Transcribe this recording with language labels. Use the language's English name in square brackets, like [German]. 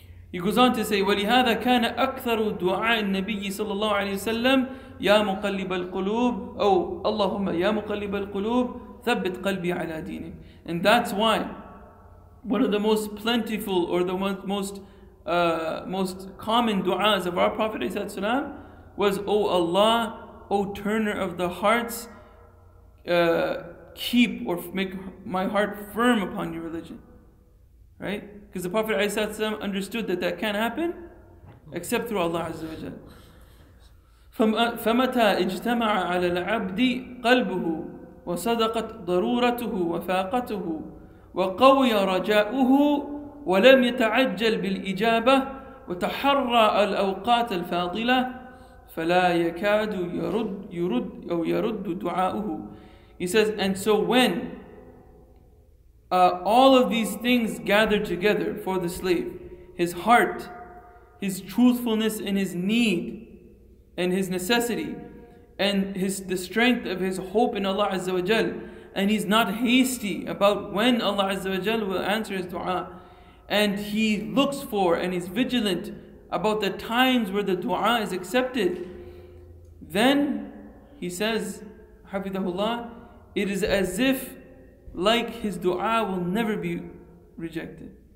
[English] He goes on to say, [Arabic] ولهذا كان أكثر دعاء النبي صلى الله عليه وسلم يا مقلب القلوب أو اللهم يا مقلب القلوب ثبت قلبي على دينك. [English] And that's why one of the most plentiful or the most common du'as of our Prophet [Arabic] عليه السلام [English] was, O Allah, O turner of the hearts, keep or make my heart firm upon your religion. Right? Because the Prophet [Arabic] عليه السلام [English] understood that that can't happen except through Allah [Arabic] عز وجل. فمتى اجتمع على العبد قلبه وصدقت ضرورته وفاقته وقوي رجاؤه ولم يتعجل بالإجابة وتحرى الأوقات الفاضلة فلا يكاد يرد أو يرد دعاؤه. [English] He says, and so when all of these things gather together for the slave, his heart, his truthfulness in his need and his necessity, and the strength of his hope in Allah Azza wa Jal, and he's not hasty about when Allah Azza wa Jal will answer his dua, and he looks for and he's vigilant about the times where the dua is accepted, then he says, Hafidahullah, it is as if like his dua will never be rejected.